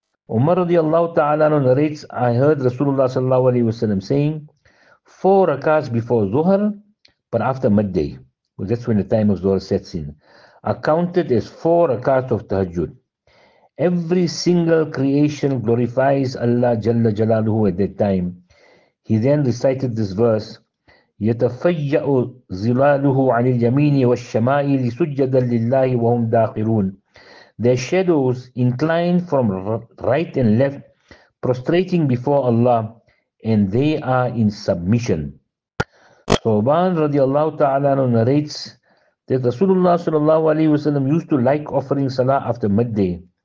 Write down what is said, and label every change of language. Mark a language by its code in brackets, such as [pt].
[en] Umar radiallahu ta'ala anhu narrates, I heard Rasulullah sallallahu alayhi wa sallam saying, 4 rakats before Zuhr, but after midday, well, that's when the time of Zuhr sets in, are counted as 4 rakats of Tahajjud. Every single creation glorifies Allah Jalla Jalaluhu at that time. He then recited this verse, [ar] يَتَفَيَّأُ ظِلَالُهُ عَنِ الْيَمِينِ وَالشَّمَائِلِ سُجَّدًا لِلَّهِ وَهُمْ دَاخِرُونَ. [en] Their shadows incline from right and left, prostrating before Allah, and they are in submission. Thoban radiallahu ta'ala narrates that Rasulullah sallallahu alayhi wa sallam used to like offering salah after midday.